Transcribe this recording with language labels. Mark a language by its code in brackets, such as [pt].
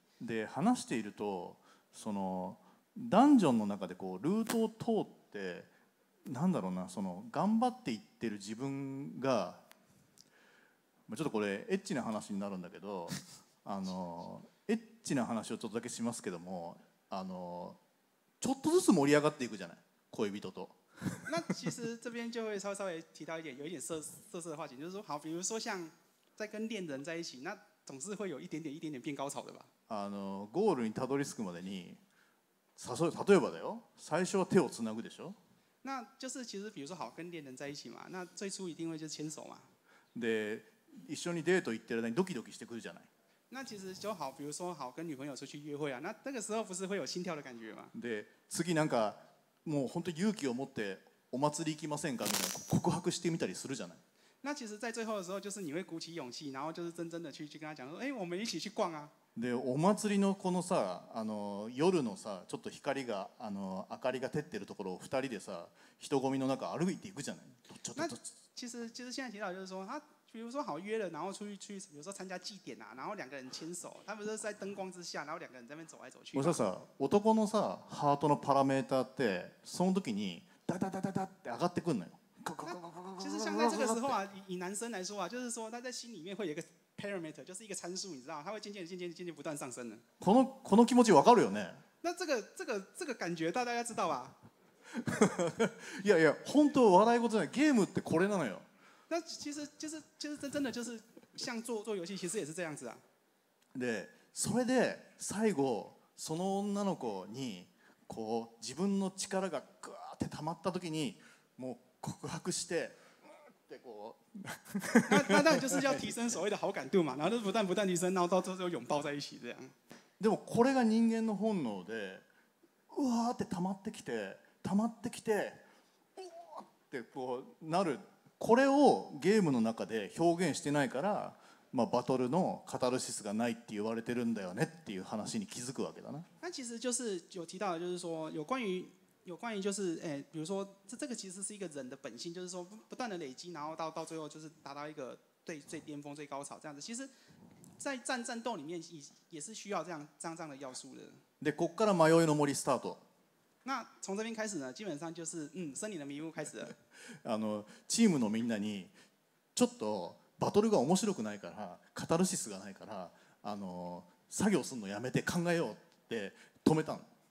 [ja] で、話していると、そのダンジョンの中でこうルートを通って、なんだろうな、その頑張っていってる自分が、ちょっとこれエッチな話になるんだけど、エッチな話をちょっとだけしますけども、ちょっとずつ盛り上がっていくじゃない、恋人と。 [zh] 那其实这边就会稍微提到一点，有一点色的话题，就是说，好，比如说像在跟恋人在一起，那总是会有一点点变高潮的吧？ [ja] ゴールにたどり着くまでに、例えばだよ、最初は手をつなぐでしょ？ [zh] 那就是其实比如说好跟恋人在一起嘛，那最初一定会就是牵手嘛。 [ja] で、一緒にデート行ってる間にドキドキしてくるじゃない。 [zh] 那其实就好，比如说好跟女朋友出去约会啊，那那个时候不是会有心跳的感觉吗？ [ja] で、次なんかもう本当勇気を持ってお祭り行きませんかみたいな告白してみたりするじゃない。 [zh] 那其实，在最后的时候，就是你会鼓起勇气，然后就是真正的去跟他讲说，哎，我们一起去逛啊。 [ja] でお祭りのこのさあの夜のさちょっと光があの明かりが照ってるところを2人でさ人混みの中歩いていくじゃない。どっちょっと [zh] 其实现在提到就是说他比如说好约了然后出去比如说参加祭典啊然后两个人牵手他们就是在灯光之下然后两个人在那边走来走去。我说 [ja] さ男のさハートのパラメーターってその時にダダダダダって上がってくるのよ。 [zh] 其实像在这个时候啊以男生来说啊就是说他在心里面会有一个parameter 就是一个参数，你知道，它会渐渐不断上升的。 [ja] この気持ち分かるよね。 [zh] 那这个感觉，大家知道吧？ [ja] いやいや、本当笑い事じゃない。ゲームってこれなのよ。 [zh] 那其实真的就是像做游戏，其实也是这样子啊。 [ja] で、それで最後その女の子にこう自分の力がぐーって溜まった時に、もう告白して。 [zh] 那当然就是要提升所谓的好感度嘛，然后就不断提升，然后到最后拥抱在一起这样。 [ja] でもこれが人間の本能で、うわーって溜まってきて、うわーってこうなる。これをゲームの中で表現してないから、まあバトルのカタルシスがないって言われてるんだよねっていう話に気づくわけだな。 [zh] 那其实就是有提到，就是说有关于就是诶，比如说这个其实是一个人的本性，就是说不断的累积，然后到最后就是达到一个最巅峰、最高潮这样子。其实，在战斗里面也是需要这样的要素的。 [ja] で、こっから迷いの森スタート。 [zh] 那从这边开始呢，基本上就是森林的迷雾开始了。 [ja] あのチームのみんなにちょっとバトルが面白くないから、カタルシスがないから、あの作業するのやめて考えようって止めたの。